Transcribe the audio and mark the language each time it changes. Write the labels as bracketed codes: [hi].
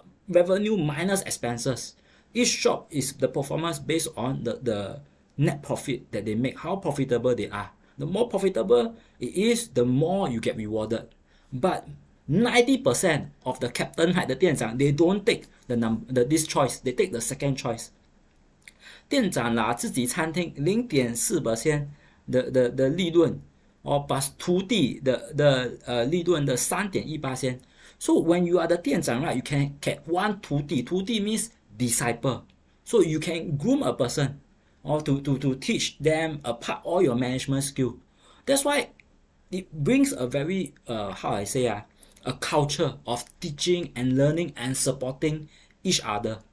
[en] revenue minus expenses. Each shop is the performance based on the net profit that they make, how profitable they are. The more profitable it is, the more you get rewarded. But 90% of the captain, right, the Tianzhang, they don't take the number, this choice. They take the second choice. [zh] 店长啦，自己餐厅0.4%的利润，哦，plus 徒弟的利润的3.18%。 [en] So when you are the 店长 right, you can get one 徒弟。徒弟 means disciple. So you can groom a person, or to teach them apart all your management skill. That's why it brings a very how I say a culture of teaching and learning and supporting each other.